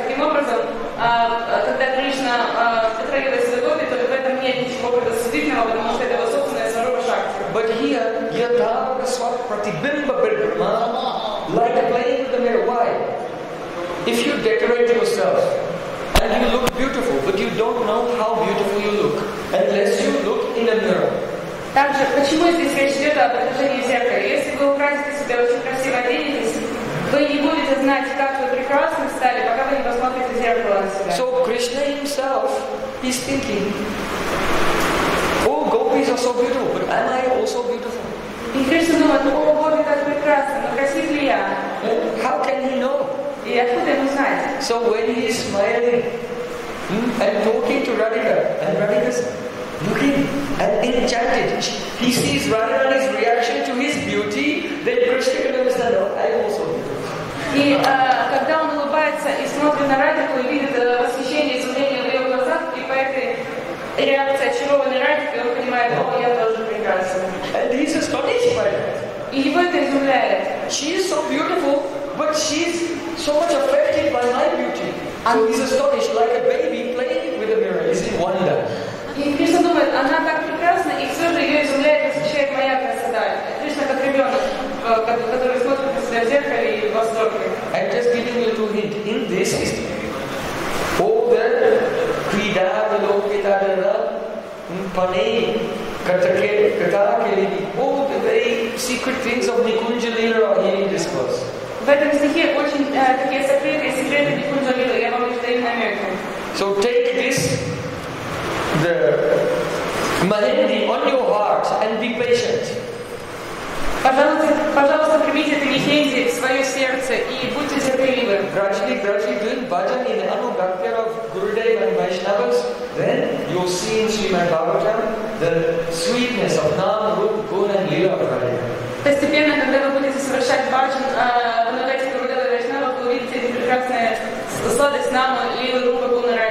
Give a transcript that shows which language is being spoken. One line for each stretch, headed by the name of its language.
Russian: Таким образом, когда Кришна затрагивает свою гопи, то в этом нет ничего предосудительного, потому что это его собственное Сварупа Шакти.
English: But here, Yathava Kaswa Pratibimba Birbrahma, like playing with the mirror. Why? If you decorate yourself, and you look beautiful, but you don't know how beautiful you look, unless you look in a mirror.
Russian: Также, почему здесь речь идет об отражении зеркала? Если вы украсите себя очень красиво, оденетесь, вы не будете знать, как вы прекрасно стали, пока вы не посмотрите в зеркало на себя.
English: So Krishna himself is thinking, oh, gopis are so beautiful, but am I also beautiful?
Russian: И Кришна думает, о, боги, так прекрасно, но красив ли я?
English: How can he know?
Russian: И откуда ему знать?
English: So when he is smiling and talking to Radhika, and Radhika is looking and enchanted, he sees Radhika's reaction to his beauty, then Krishna can understand, oh, I also.
Russian: И когда он улыбается и смотрит на Радику и видит восхищение и изумление в ее глазах, и по этой реакции очарованной Радики он понимает, о, я тоже прекрасен.
English: And he's astonished by that.
Russian: И его это изумляет.
English: she is so beautiful, but she is so much affected by my beauty. And so he's astonished, like a baby playing with a mirror. Is it wonder?
Russian: И Кришна думает, она так прекрасна, и все же ее изумляет и восхищает моя красота. Кришна как ребенок, который смотрит на себя в зеркале и в восторге.
English: I'm just giving you a little hint. In this is over
Sanskrit: Krida Lokita Pane Katake Katake
English: all the very secret things of Nikunja Lila are here in this verse.
Russian: В этом стихе очень такие сокрытые секреты Никунджа Лила. Я вам их даю на мерку.
English: So take this the Mahindi on your heart and be patient.
Russian: Пожалуйста, примите эту Mahindi в свое сердце и будьте терпеливы.
English: Gradually doing bhajan in Anubhakti of Gurudev and Vaishnavas, then you'll see in Srimad Bhagavatam the sweetness of Nam, Rup, Gun and Lila of Radha.
Russian: Постепенно, когда вы будете совершать bhajan, вы увидите эти прекрасные сладость Нама, Лила, Рупа, Гун.